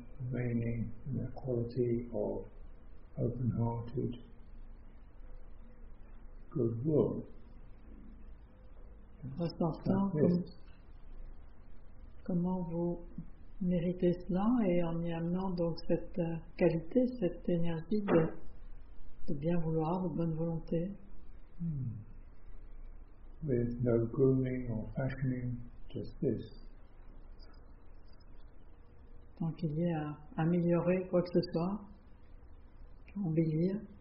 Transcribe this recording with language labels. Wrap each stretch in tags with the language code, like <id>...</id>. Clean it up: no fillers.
<en>Remaining in the quality of open-hearted goodwill.</en> <fr>Ressentant comment vous méritez cela et en y amenant donc cette qualité, cette énergie de bien vouloir, de bonne volonté.</fr> <en>With no grooming or fashioning, just this.</en> <fr>Tant qu'il y ait à améliorer quoi que ce soit, embellir.</fr>